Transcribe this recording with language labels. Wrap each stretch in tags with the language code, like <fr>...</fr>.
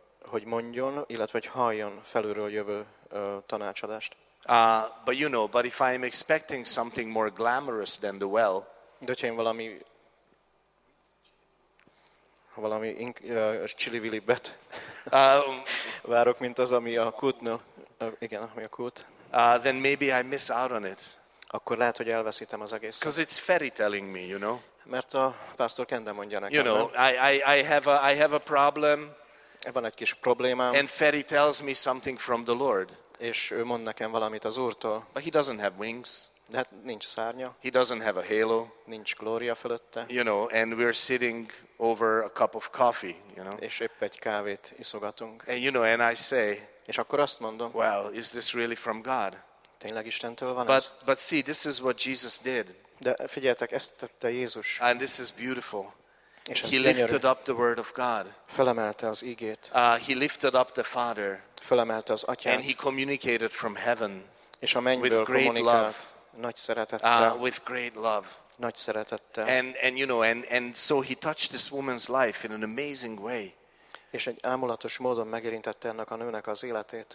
<hu>hogy mondjon, illetve hogy halljon felülről jövő tanácsadást.</hu> <en>But you know, but if I am expecting something more glamorous than the well,</en> <hu>de hogyha én valami csilivilibet várok, mint az, ami a kútnál, igen, ami a kút,</hu> <en>then maybe I miss out on it.</en> <hu>Akkor lehet, hogy elveszítem az egészet.</hu> <en>Because it's fairy telling me, you know.</en> <hu>Mert a pásztor kende mondja nekem.</hu> <en>You know, I have a problem.</en> <hu>Van egy kis problémám.</hu> <en>And fairy tells me something from the Lord.</en> <hu>És ő mond nekem valamit az Úrtól.</hu> <en>But he doesn't have wings.</en> <hu>De hát nincs szárnya.</hu> <en>He doesn't have a halo.</en> <hu>Nincs glória fölötte.</hu> <en>You know, and we're sitting over a cup of coffee, you know.</en> <hu>És épp egy kávét iszogatunk.</hu> <en>And you know, and I say.</en> <hu>És akkor azt mondom.</hu> <en>Well, is this really from God?</en> <hu>Tényleg Istentől van ez?</hu> <en>But see, this is what Jesus did.</en> <hu>De figyeljetek, ezt tette Jézus.</hu> <en>And this is beautiful.</en> <hu>És</hu> <en>he lifted up the word of God.</en> <hu>Felemelte az igét.</hu> <en>He lifted up the Father.</en> <hu>Felemelte az atyát.</hu> <en>And he communicated from heaven.</en> <hu>És a mennyből kommunikált. Nagy szeretettel.</hu> <en>With great love.</en> <hu>Nagy szeretettel.</hu> <en>And you know, and so he touched this woman's life in an amazing way.</en> <hu>És egy ámulatos módon megérintette ennek a nőnek az életét.</hu>